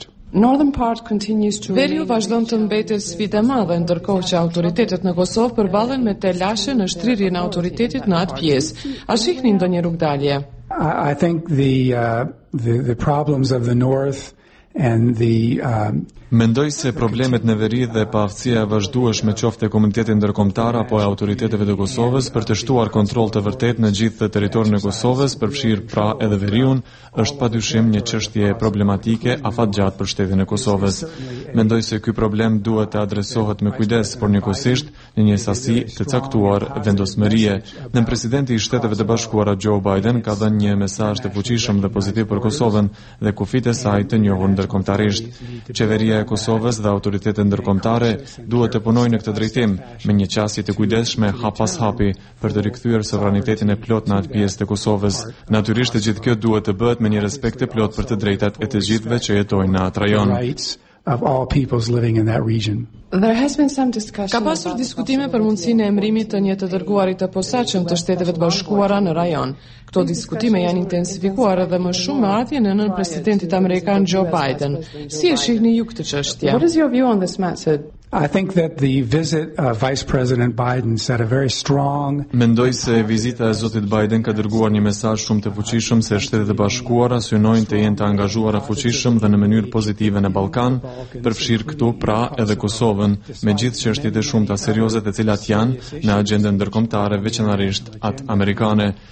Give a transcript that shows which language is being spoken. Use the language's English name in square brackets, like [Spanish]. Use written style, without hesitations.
[English] Northern part continues to [Albanian] Veriu vazhdon të mbetet sfidë e madhe, ndërkohë që autoritetet në Kosovë përballen me telashe në shtrirjen e autoritetit në atë pjesë. A shihni ndonjë rrugdalje? [English] I think the problems of the north and the [Albanian] Mendoj se problemet në veri dhe paaftësia e vazhdueshme qoftë komunitetit ndërkombëtar apo e autoriteteve të Kosovës për të shtuar kontroll të vërtet në gjithë territorin e Kosovës, përfshir pra edhe veriun, është padyshim një çështje problematike afatgjatë për shtetin e Kosovës. Mendoj se ky problem duhet të adresohet me kujdes, por njëkohësisht në një sasi të caktuar vendosmërie. Në presidenti i Shteteve të Bashkuara Joe Biden ka dhënë një mesazh të fuqishëm dhe pozitiv për Kosovën dhe kufit e saj të njohur ndërkombëtarisht. Qeveria e Kosovës dhe autoritetet ndërkombëtare duhet të punojnë në këtë drejtim me një qasje të kujdesshme hap pas hapi për të rikthyer suverenitetin e plot në atë pjesë të Kosovës. Natyrisht të gjithë kjo duhet të bëhet me një respekt të plot për të drejtat e të gjithëve që jetojnë në atë rajon. [English] of all peoples living in that region. There has been some discussion. [Albanian] Ka pasur diskutime për mundësinë e emrimit të një të dërguarit të posaçëm të Shteteve të Bashkuara në rajon. Këto diskutime janë intensifikuar edhe më shumë me ardhjen e nën presidentit amerikan Joe Biden. Si e shihni ju këtë çështje? [English] What is your view on this matter? I think that the visit of Vice President Biden set a very strong. [Albanian] Mendoj se vizita e Zotit Biden ka dërguar një mesazh shumë të fuqishëm se Shtetet e Bashkuara synojnë të jenë të angazhuara fuqishëm dhe në mënyrë pozitive në Ballkan, përfshirë këtu pra edhe Kosovën, megjithë çështjet e shumta serioze të cilat janë në agjendën ndërkombëtare, veçanërisht atë amerikane.